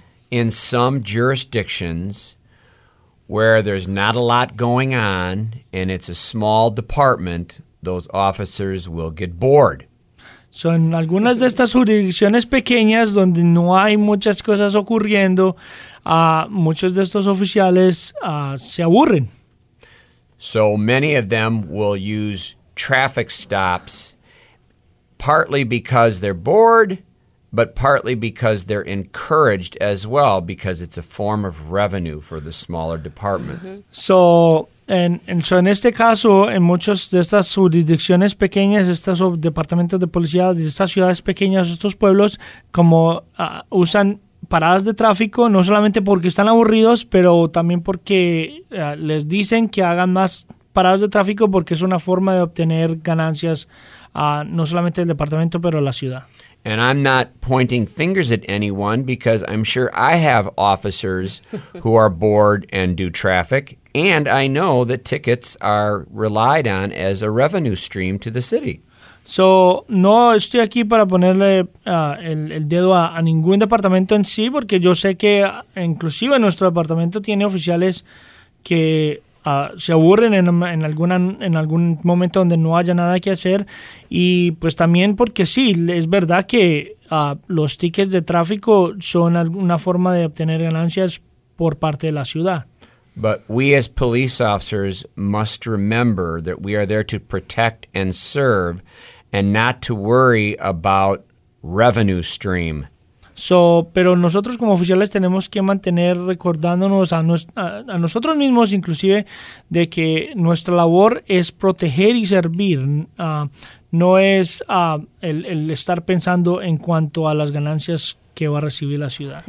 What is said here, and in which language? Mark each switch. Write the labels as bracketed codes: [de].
[en] In some jurisdictions where there's not a lot going on and it's a small department, those officers will get bored. [es] Son algunas de estas jurisdicciones pequeñas donde no hay muchas cosas ocurriendo, muchos de estos oficiales se aburren. [en] So many of them will use traffic stops, partly because they're bored, but partly because they're encouraged as well, because it's a form of revenue for the smaller departments. So... [es] En este caso, en muchas de estas jurisdicciones pequeñas, estos departamentos de policía de estas ciudades pequeñas, estos pueblos, como usan paradas de tráfico, no solamente porque están aburridos, pero también porque les dicen que hagan más paradas de tráfico porque es una forma de obtener ganancias, no solamente el departamento, pero la ciudad. [en] And I'm not pointing fingers at anyone because I'm sure I have officers who are bored and do traffic. And I know that tickets are relied on as a revenue stream to the city. So, [es] no estoy aquí para ponerle el dedo a ningún departamento en sí, porque yo sé que inclusive nuestro departamento tiene oficiales que se aburren en algún momento donde no haya nada que hacer. Y pues también porque sí, es verdad que los tickets de tráfico son una forma de obtener ganancias por parte de la ciudad. [en] But we as police officers must remember that we are there to protect and serve and not to worry about revenue stream. So, [es] pero nosotros como oficiales tenemos que mantener recordándonos a nosotros mismos, inclusive, de que nuestra labor es proteger y servir. No es el estar pensando en cuanto a las ganancias que va a recibir la ciudad.